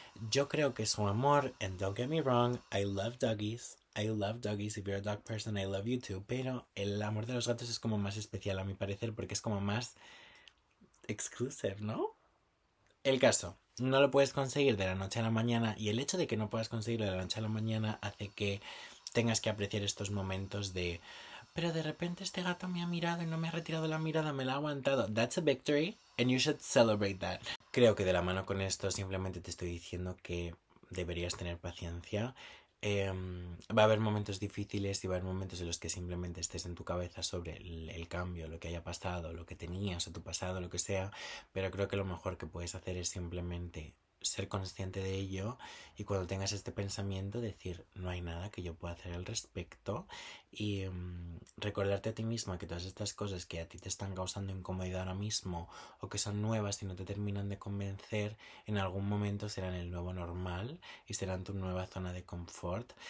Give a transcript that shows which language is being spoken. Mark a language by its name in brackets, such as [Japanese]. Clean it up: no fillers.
[Spanish] yo creo que su amor, [English] and don't get me wrong, I love doggies, if you're a dog person, I love you too, [Spanish] pero el amor de los gatos es como más especial a mi parecer, porque es como más exclusive, ¿no? El caso, no lo puedes conseguir de la noche a la mañana, y el hecho de que no puedas conseguirlo de la noche a la mañana hace que tengas que apreciar estos momentos de... Pero de repente este gato me ha mirado y no me ha retirado la mirada, me la ha aguantado. [English] That's a victory and you should celebrate that. [Spanish] Creo que de la mano con esto simplemente te estoy diciendo que deberías tener paciencia. Va a haber momentos difíciles y va a haber momentos en los que simplemente estés en tu cabeza sobre el cambio, lo que haya pasado, lo que tenías o tu pasado, lo que sea. Pero creo que lo mejor que puedes hacer es simplemente ser consciente de ello y cuando tengas este pensamiento decir no hay nada que yo pueda hacer al respecto y recordarte a ti misma que todas estas cosas que a ti te están causando incomodidad ahora mismo o que son nuevas y no te terminan de convencer en algún momento serán el nuevo normal y serán tu nueva zona de confort.